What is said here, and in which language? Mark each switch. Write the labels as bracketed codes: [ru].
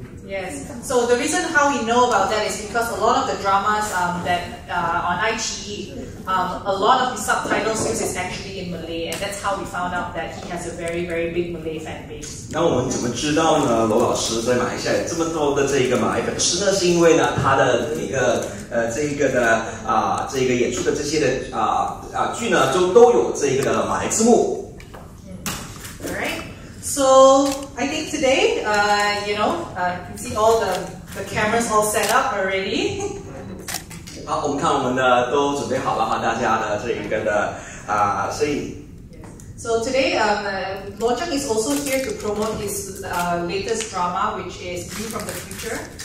[en] Yes, so the reason how we know about that is because a lot of the dramas that on iQIYI, a lot of the subtitles use is actually in Malay, and that's how we found out that he has a very, very big Malay fan base. [zh] 那我们怎么知道呢？罗老师在马来西亚这么多的这个马来粉丝呢？是因为呢，他的那个演出的这些的剧呢，都有这个马来字幕。 [en] So I think today, you can see all the cameras all set up already. [zh] 好，我们看我们的都准备好了哈，大家的这一个的声音。 [en] So today, Logjam is also here to promote his latest drama, which is View from the Future.